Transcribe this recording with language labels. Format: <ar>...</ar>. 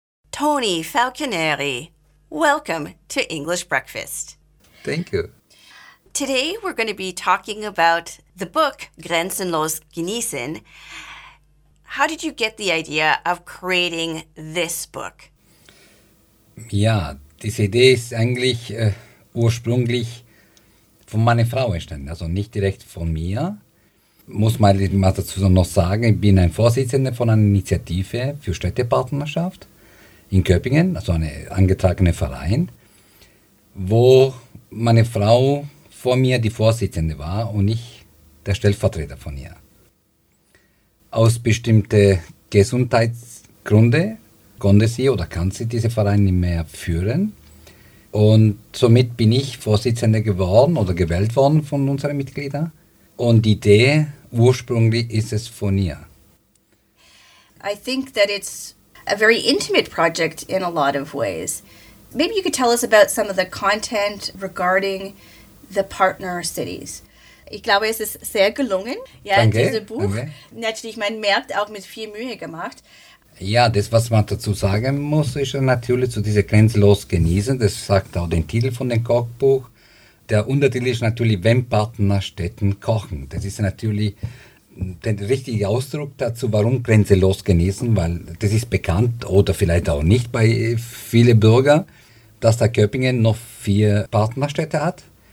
<en>Tony Falconeri, welcome to English Breakfast. Thank you. Today we're going to be talking about the book Grenzen los Genießen. How did you get the idea of creating this book?</en> <de>Ja, diese Idee ist eigentlich ursprünglich von meiner Frau entstanden, also nicht direkt von mir. Muss man dazu noch sagen, ich bin ein Vorsitzender von einer Initiative für Städtepartnerschaft in Göppingen, also ein angetragener Verein, wo meine Frau vor mir die Vorsitzende war und ich der Stellvertreter von ihr. Aus bestimmten Gesundheitsgründen konnte sie oder kann sie diese Verein nicht mehr führen. Und somit bin ich Vorsitzender geworden oder gewählt worden von unseren Mitgliedern. Und die Idee ursprünglich ist es von ihr.</de> <en>I think that it's a very intimate project in a lot of ways. Maybe you could tell us about some of the content regarding the partner cities.</en> <de>Ich glaube, es ist sehr gelungen, ja, dieses Buch. Danke. Natürlich, man merkt, auch mit viel Mühe gemacht. Ja, das, was man dazu sagen muss, ist natürlich zu dieser Grenzenlos genießen. Das sagt auch den Titel von dem Kochbuch. Der Untertitel ist natürlich, wenn Partnerstädten kochen. Das ist natürlich der richtige Ausdruck dazu, warum Grenzenlos genießen, weil das ist bekannt oder vielleicht auch nicht bei vielen Bürgern, dass der Köppingen noch 4 Partnerstädte hat.</de>